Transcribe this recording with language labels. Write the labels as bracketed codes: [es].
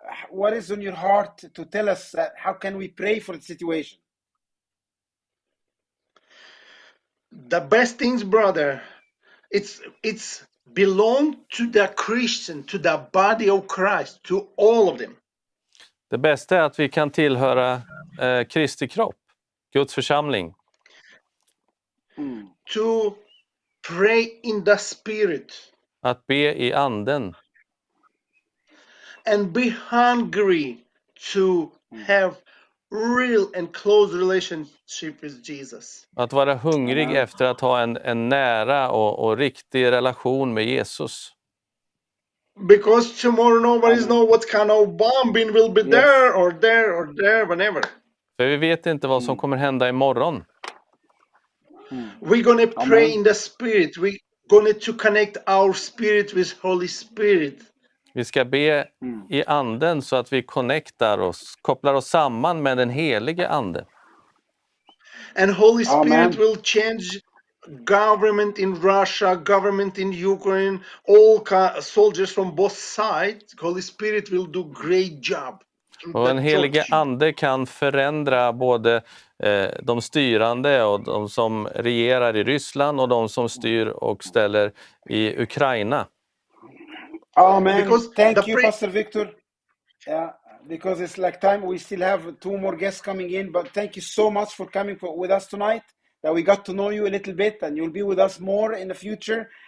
[en] What is on your heart to tell us that? How can we pray for the situation? The best things, brother, it's belong to the Christian, to the body of Christ, to all of them. [sv] Det bästa är att vi kan tillhöra Kristi kropp, Guds församling. [en] To pray in the spirit. [sv] Att be i anden. [en] And be hungry to have real and close relationship with Jesus. [sv] Att vara hungrig efter att ha en nära och riktig relation med Jesus. [en] Because tomorrow nobody knows what kind of bombing will be there or there or there whenever. [sv] För vi vet inte vad som kommer hända imorgon. [en] We're gonna pray in the spirit. We're gonna to connect our spirit with Holy Spirit. [sv] Vi ska be i anden så att vi connectar oss, kopplar oss samman med den helige ande. [en] And Holy Spirit will change government in Russia, government in Ukraine, all soldiers from both sides. Holy Spirit will do great job. [sv] Och den helige ande kan förändra både de styrande och de som regerar i Ryssland och de som styr och ställer i Ukraina. [en] Amen. Because thank you, Pastor Victor. Because it's like time, we still have two more guests coming in, but thank you so much for coming with us tonight, that we got to know you a little bit, and you'll be with us more in the future.